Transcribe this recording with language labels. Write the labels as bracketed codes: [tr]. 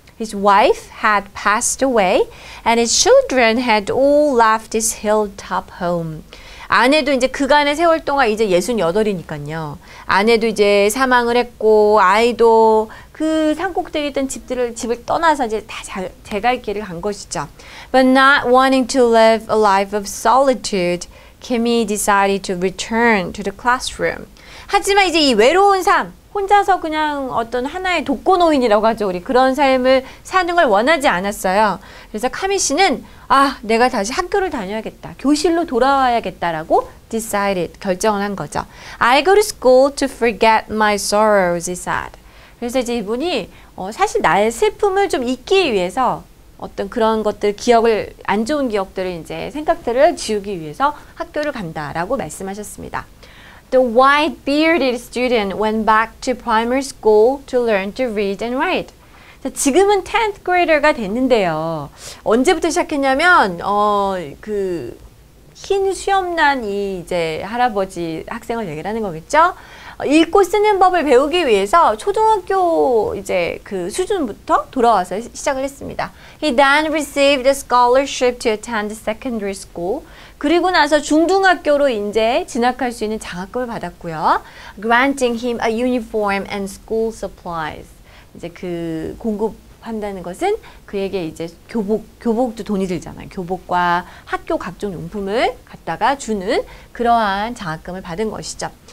[en] His wife had passed away and his children had all left his hilltop home. [ko] 아내도 이제 그간의 세월 동안 이제 68이니까요. 아내도 이제 사망을 했고 아이도 그 산꼭대기 있던 집을 떠나서 이제 다 제갈 길을 간 것이죠. [en] But not wanting to live a life of solitude, Kimmy decided to return to the classroom. [ko] 하지만 이제 이 외로운 삶 혼자서 그냥 어떤 하나의 독거 노인이라고 하죠. 우리 그런 삶을 사는 걸 원하지 않았어요. 그래서 카미 씨는 아, 내가 다시 학교를 다녀야겠다. 교실로 돌아와야겠다라고 decided, 결정을 한 거죠. [en] I go to school to forget my sorrows, he said. [ko] 그래서 이제 이분이 사실 나의 슬픔을 좀 잊기 위해서 어떤 그런 것들, 기억을, 안 좋은 기억들을 이제 생각들을 지우기 위해서 학교를 간다라고 말씀하셨습니다. [en] The white bearded student went back to primary school to learn to read and write. [ko] 자, 지금은 10th grader가 됐는데요. 언제부터 시작했냐면 그 흰 수염 난 이 이제 할아버지 학생을 얘기를 하는 거겠죠. 읽고 쓰는 법을 배우기 위해서 초등학교 이제 그 수준부터 돌아와서 시작을 했습니다. [en] He then received a scholarship to attend secondary school. [ko] 그리고 나서 중등학교로 이제 진학할 수 있는 장학금을 받았고요. [en] Granting him a uniform and school supplies. [ko] 이제 그 공급한다는 것은 그에게 이제 교복도 돈이 들잖아요. 교복과 학교 각종 용품을 갖다가 주는 그러한 장학금을 받은 것이죠.